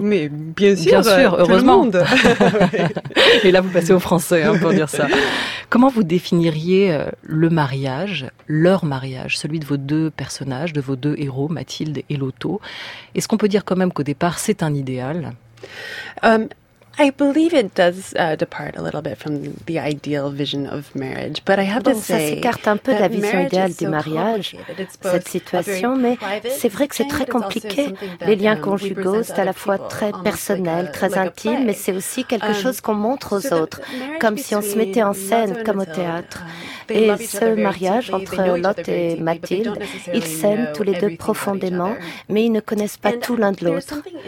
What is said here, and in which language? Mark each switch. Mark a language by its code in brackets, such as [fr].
[fr] Mais bien sûr, heureusement. Tout le monde. Et là, vous passez au français pour dire ça. Comment vous définiriez le mariage, leur mariage, celui de vos deux personnages, de vos deux héros, Mathilde et Lotto? Est-ce qu'on peut dire quand même qu'au départ, c'est un idéal? [en] I believe it does depart a little bit from the ideal vision of marriage, but I have [fr] bon, [en] to say [fr] ça s'écarte un peu de la vision idéale du mariage, cette situation, mais c'est vrai que c'est très compliqué. Les liens conjugaux, c'est à la fois très personnel, très intime, mais c'est aussi quelque chose qu'on montre aux autres, comme si on se mettait en scène, comme au théâtre. Et ce mariage entre Lotte et Mathilde, ils s'aiment tous les deux profondément, mais ils ne connaissent pas tout l'un de l'autre.